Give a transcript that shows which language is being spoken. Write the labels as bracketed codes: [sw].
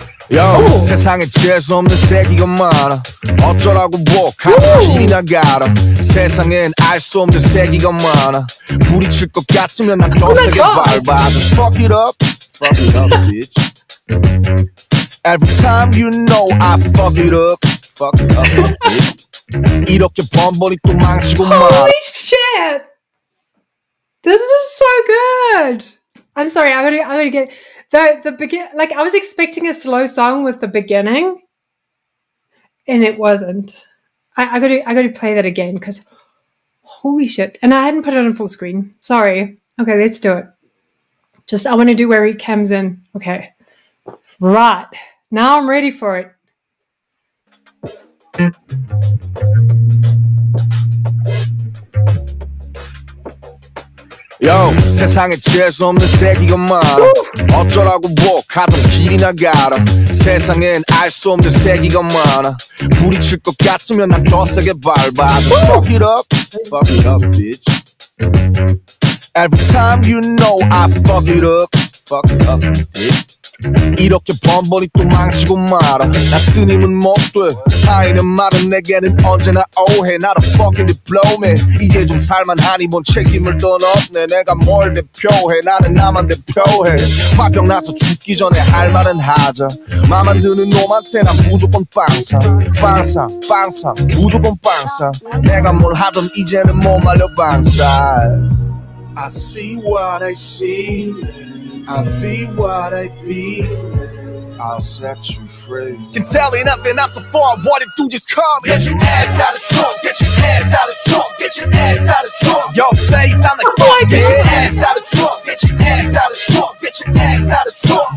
[ko] Yo, 세상에 재수 없는 새끼가 많아. 어쩌라고 뭐 가끔씩이 나가라. 세상엔 알 수 없는 새끼가 많아. 부딪힐 것 같으면 난 더 세게 밟아. [en] Just fuck it up, bitch. Every time you know I fuck it up, bitch. [ko] 이렇게 번번이 또 망치고 말아. [en] Holy shit! This is so good. I'm sorry, I'm gonna get the begin. Like, I was expecting a slow song with the beginning, and it wasn't. I gotta play that again, because holy shit. And I hadn't put it on full screen. Sorry. Okay, let's do it. Just, I want to do where he comes in. Okay. Right. Now I'm ready for it. [ko] Yo, 세상에 재수 없는 새끼가 많아. 어쩌라고 뭐 가던 길이나 가라. 세상엔 알 수 없는 새끼가 많아. 부딪힐 것 같으면 난 더 세게 밟아. [en] Fuck it up, fuck it up, bitch. Every time you know I fuck it up, fuck it up, bitch. [ko] 이렇게 번번이 또 망치고 말아. 나 스님은 못 돼. 타인은 말은 내게는 언제나 오해. 나도 [en] fucking diplomat. [ko] 이제 좀 살만하니 뭔 책임을 떠넘네. 내가 뭘 대표해. 나는 나만 대표해. 화병 나서 죽기 전에 할 말은 하자. 마음 드는 놈한테 난 무조건 빵상. 빵상, 빵상, 무조건 빵상. 내가 뭘 하던 이제는 못 말려 빵살. [en] I see what I see. I be what I be, I'll set you free. Can tell you nothing after far, what it do, just call me. Get your ass out of trunk, get your ass out of trunk, get your ass out of trunk. Yo, face on the clock, oh, get your ass out of trunk, get your ass out of trunk, get your ass out of trunk.